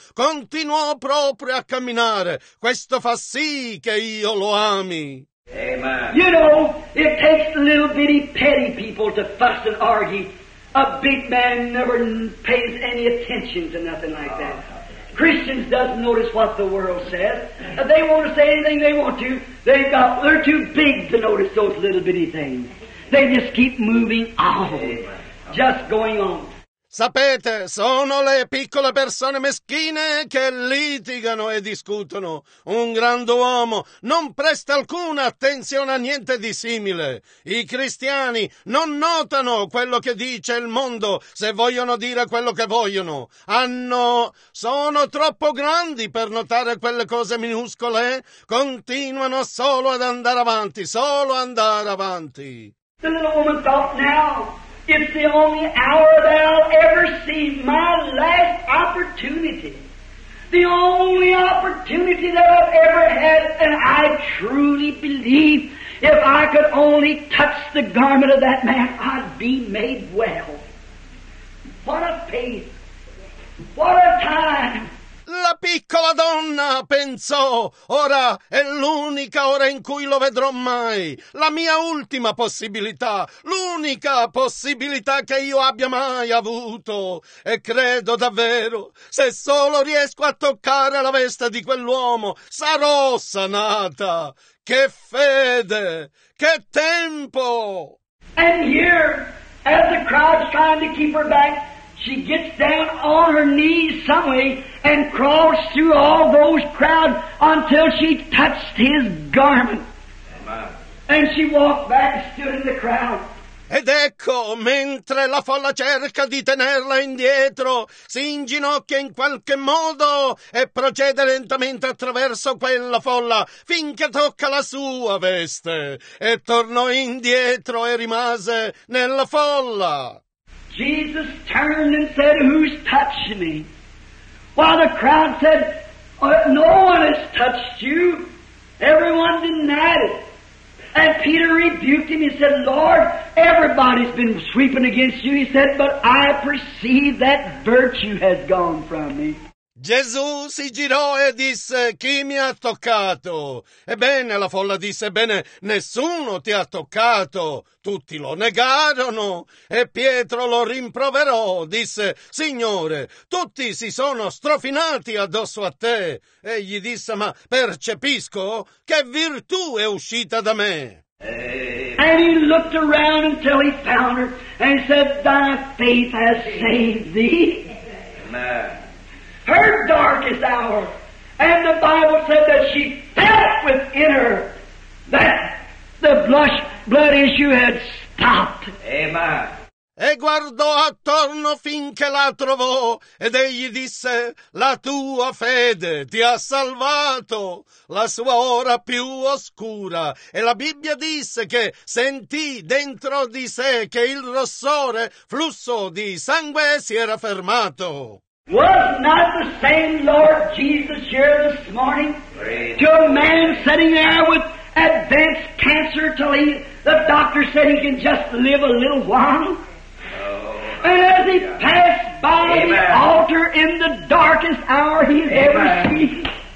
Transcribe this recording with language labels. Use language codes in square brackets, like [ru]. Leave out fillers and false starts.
[it] Continuò proprio a camminare. Questo fa sì che io lo ami. [en] Amen. You know, it takes a little bitty petty people to fuss and argue. A big man never pays any attention to nothing like that. Christians doesn't notice what the world says. If they want to say anything they want to, they're too big to notice those little bitty things. They just keep moving on. Amen. Just going on. [it] Sapete, sono le piccole persone meschine che litigano e discutono. Un grande uomo non presta alcuna attenzione a niente di simile. I cristiani non notano quello che dice il mondo se vogliono dire quello che vogliono. Sono troppo grandi per notare quelle cose minuscole. Continuano solo ad andare avanti, solo andare avanti. [en] The little woman thought now. It's the only hour that I'll ever see, my last opportunity. The only opportunity that I've ever had, and I truly believe if I could only touch the garment of that man, I'd be made well. What a faith! What a time! [it] La piccola donna pensò, ora è l'unica ora in cui lo vedrò mai, la mia ultima possibilità, l'unica possibilità che io abbia mai avuto. E credo davvero, se solo riesco a toccare la veste di quell'uomo, sarò sanata. Che fede! Che tempo! [en] And here, as the crowd's trying to keep her back, she gets down on her knees some way and crawls through all those crowds until she touched his garment. Amen. And she walked back and stood in the crowd. [it] Ed ecco, mentre la folla cerca di tenerla indietro, si inginocchia in qualche modo e procede lentamente attraverso quella folla finché tocca la sua veste. E tornò indietro e rimase nella folla. [en] Jesus turned and said, who's touched me? While the crowd said, no one has touched you. Everyone denied it. And Peter rebuked him. He said, Lord, everybody's been sweeping against you. He said, but I perceive that virtue has gone from me. [it] Gesù si girò e disse, chi mi ha toccato? Ebbene, la folla disse, bene, nessuno ti ha toccato. Tutti lo negarono. E Pietro lo rimproverò, disse, Signore, tutti si sono strofinati addosso a te. E gli disse, ma percepisco che virtù è uscita da me. [en] And he looked around until he found her, and he said, "Thy faith has saved thee." Her darkest hour. And the Bible said that she felt within her that the blood issue had stopped. Amen. [it] E guardò attorno finché la trovò, ed egli disse, la tua fede ti ha salvato la sua ora più oscura. E la Bibbia disse che sentì dentro di sé che il rossore flusso di sangue si era fermato. [en] Was not the same Lord Jesus here this morning? Great. To a man sitting there with advanced cancer till the doctor said he can just live a little while? And as he passed by Amen. The altar in the darkest hour he had ever seen.